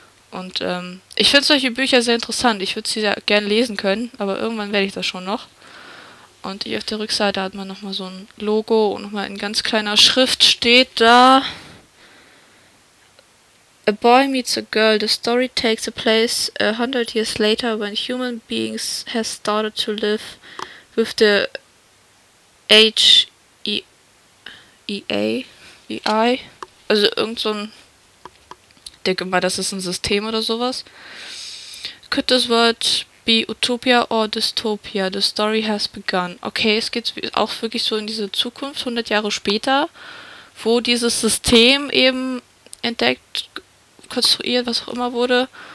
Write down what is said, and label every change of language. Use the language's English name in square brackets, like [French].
[German] Und ich finde solche Bücher sehr interessant. Ich würde sie ja gerne lesen können, aber irgendwann werde ich das schon noch. Und hier auf der Rückseite hat man nochmal so ein Logo und nochmal in ganz kleiner Schrift steht da: [English] A boy meets a girl. The story takes a place 100 years later when human beings have started to live with the AI. [German] Also irgend so ein. Denke mal, das ist ein System oder sowas. [English] Could this world be Utopia or Dystopia? The story has begun. [German] Okay, es geht auch wirklich so in diese Zukunft, 100 Jahre später, wo dieses System eben entdeckt, konstruiert, was auch immer wurde.